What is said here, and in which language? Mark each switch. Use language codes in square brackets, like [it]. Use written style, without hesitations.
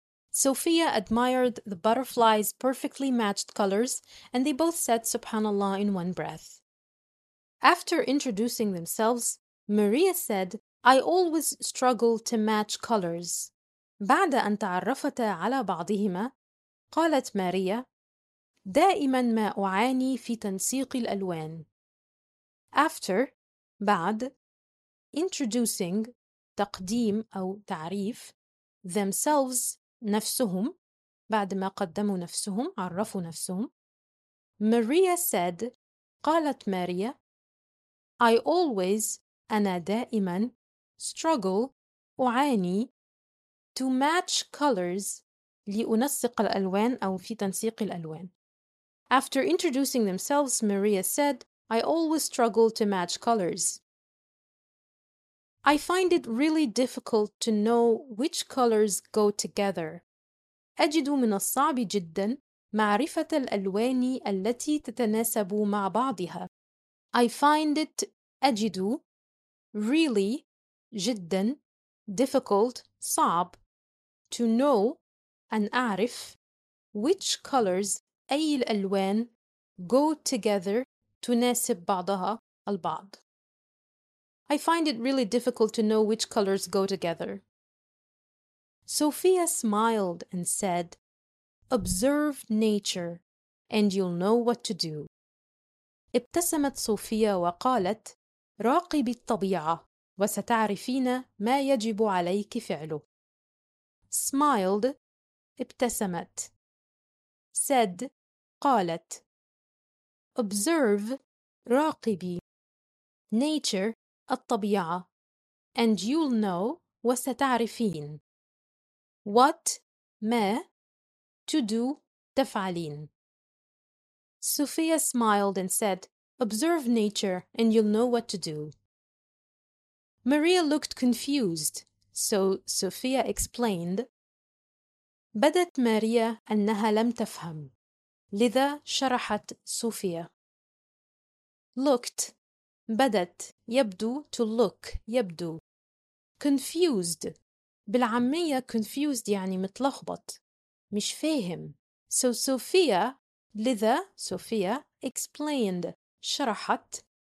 [en] Sophia admired the butterfly's perfectly matched colors and they both said [ar] سبحان الله [en] in one breath. After introducing themselves, Maria said I always struggle to match colors. [ar] بعد أن تعرفتا على بعضهما قالت ماريا دائما ما أعاني في تنسيق الألوان. [en] After, [ar] بعد, [en] introducing, [ar] تقديم أو تعريف, [en] themselves, [ar] نفسهم, بعد ما قدموا نفسهم, عرفوا نفسهم, [en] Maria said, [ar] قالت ماريا, [en] I always, [ar] أنا دائما, [en] struggle, [ar] أعاني, [en] to match colors, [ar] لأنسق الألوان أو في تنسيق الألوان. [en] After introducing themselves, Maria said, I always struggle to match colors. I find it really difficult to know which colors go together. [ar] أجد من الصعب جدا معرفة الألوان التي تتناسب مع بعضها. [en] I find it, [ar] أجد, [en] really, [ar] جدا, [en] difficult, [ar] صعب, [en] to know, [ar] أن أعرف, [en] which colors [ar] أي الألوان [en] go together [ar] تناسب بعضها البعض. [en] I find it really difficult to know which colors go together. Sophia smiled and said, Observe nature and you'll know what to do. [ar] ابتسمت صوفيا وقالت راقبي الطبيعة وستعرفين ما يجب عليك فعله. [en] Smiled [ar] ابتسمت. [en] Said [ar] قالت. [en] Observe [ar] راقبي. [en] Nature [ar] الطبيعة. [en] And you'll know [ar] وستعرفين. [en] What [ar] ما [en] to do [ar] تفعلين. [en] Sophia smiled and said, Observe nature and you'll know what to do. Maria looked confused, so Sophia explained. [ar] بدت ماريا أنها لم تفهم، لذا شرحت صوفيا. [en] Looked [ar] بدت يبدو [en] to look [ar] يبدو. [en] Confused [ar] بالعامية [en] confused [ar] يعني متلخبط، مش فاهم. [en] So Sophia [ar] لذا صوفيا [en] explained [ar] شرحت.